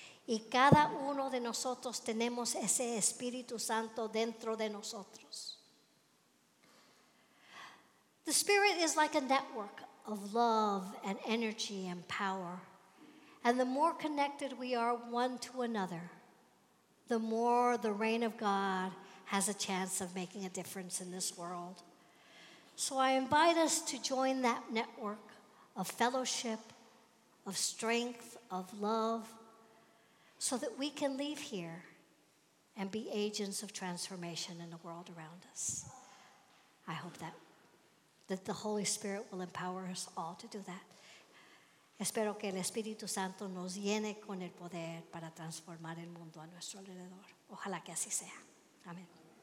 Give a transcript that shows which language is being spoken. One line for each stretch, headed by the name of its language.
Spanish: Y cada uno de nosotros tenemos ese Espíritu Santo dentro de nosotros.
English: The Spirit is like a network of love and energy and power. And the more connected we are one to another, the more the reign of God has a chance of making a difference in this world. So I invite us to join that network of fellowship, of strength, of love, so that we can leave here and be agents of transformation in the world around us. I hope that the Holy Spirit will empower us all to do that.
Spanish: Espero que el Espíritu Santo nos llene con el poder para transformar el mundo a nuestro alrededor. Ojalá que así sea. Amén.